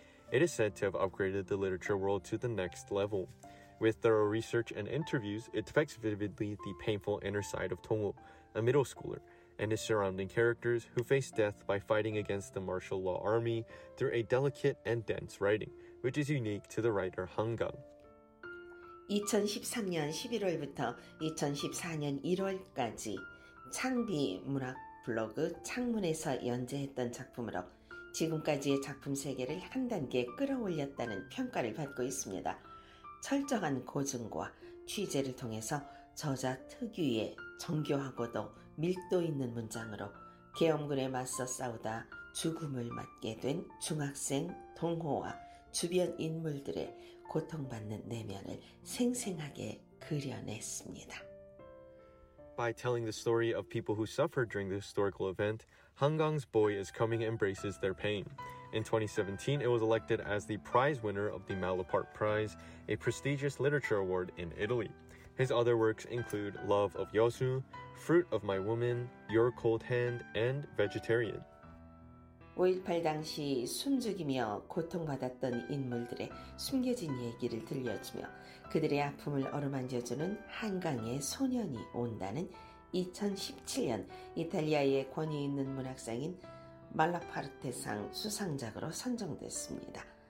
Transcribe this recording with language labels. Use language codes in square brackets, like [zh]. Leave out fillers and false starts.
[en] It is said to have upgraded the literature world to the next level. With thorough research and interviews, it depicts vividly the painful inner side of Dong-ho, a middle schooler, and his surrounding characters who face death by fighting against the martial law army through a delicate and dense writing, which is unique to the writer Hangang. [ko] 2013년 11월부터 2014년 1월까지 창비 문학 블로그 창문에서 연재했던 작품으로 지금까지의 작품 세계를 한 단계 끌어올렸다는 평가를 받고 있습니다. 철저한 고증과 취재를 통해서 저자 특유의 정교하고도 밀도 있는 문장으로 계엄군에 맞서 싸우다 죽음을 맞게 된 중학생 동호와 주변 인물들의 고통받는 내면을 생생하게 그려냈습니다. [en] By telling the story of people who suffered during the historical event, Hangang's Boy is Coming embraces their pain. In 2017, it was elected as the prize winner of the Malapart Prize, a prestigious literature award in Italy. His other works include Love of Yosu, Fruit of My Woman, Your Cold Hand, and Vegetarian. [ko] 5.18 당시 숨죽이며 고통받았던 인물들의 숨겨진 얘기를 들려주며 그들의 아픔을 어루만져주는 한강의 소년이 온다는 2017년 이탈리아의 권위 있는 문학상인 말라파르테상 수상작으로 선정됐습니다.